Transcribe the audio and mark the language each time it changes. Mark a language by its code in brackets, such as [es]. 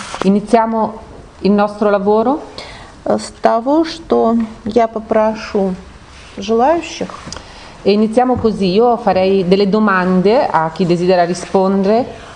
[it] Iniziamo il nostro lavoro. [ru] С того, что я попрошу желающих. [it] E iniziamo così. Io farei delle domande a chi desidera rispondere.